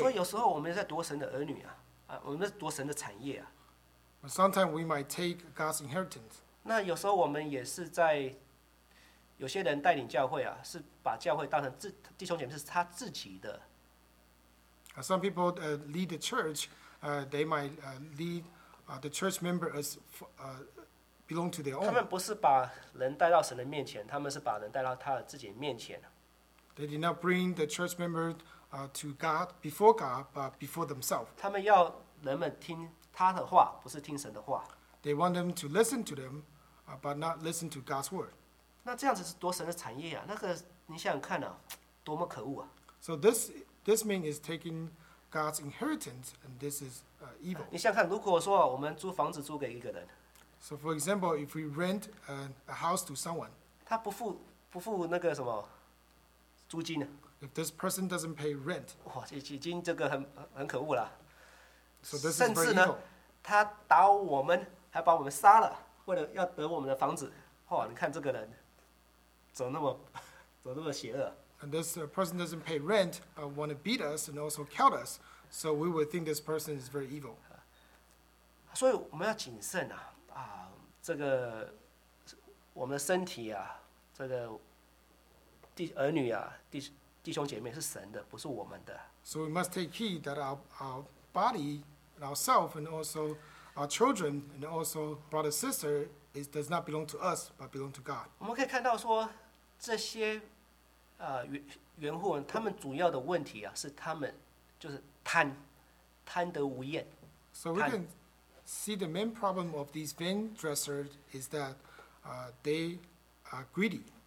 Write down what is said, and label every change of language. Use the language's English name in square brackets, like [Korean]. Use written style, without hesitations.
[Chinese] 所以有时候我们在夺神的儿女啊，我们夺神的产业啊。 [English] Sometimes we might take God's inheritance. [Chinese] 那有时候我们也是在有些人带领教会啊，是把教会当成弟兄姐妹是他自己的。 [English] Some people lead the church, they might lead the church member as belong to their own. [Chinese] 他们不是把人带到神的面前，他们是把人带到他自己面前。 [English] They did not bring the church member to God before God, but before themselves. [Chinese] 他们要人们听他的话，不是听神的话。 [English] They want them to listen to them, but not listen to God's word. [Chinese] 那这样子是夺神的产业啊！那个你想想看啊，多么可恶啊 [English] ！So this means is taking God's inheritance, and this is evil. [Chinese] 你想看，如果说我们租房子租给一个人。 [English] So for example, if we rent a house to someone, [Chinese] 他不付那个什么租金呢 [English] If this person doesn't pay rent, [Chinese] 哇，已经这个很可恶了。 [English] So this is [Chinese] 甚至呢，他打我们，还把我们杀了，为了要得我们的房子。哇，你看这个人，走那么邪恶。 [English] And this person doesn't pay rent, want to beat us and also kill us. So we would think this person is very evil. [Chinese] 所以我们要谨慎啊，这个我们的身体啊，这个儿女啊，弟兄姐妹是神的，不是我们的。 [English] So we must take heed that our body, ourselves, and also our children, and also brother sister, it does not belong to us, but belong to God. [Chinese] 我们可以看到说，这些原户人，他们主要的问题啊，是他们就是贪得无厌。 [English] So we can see the main problem of these vain dressers is that, they are greedy.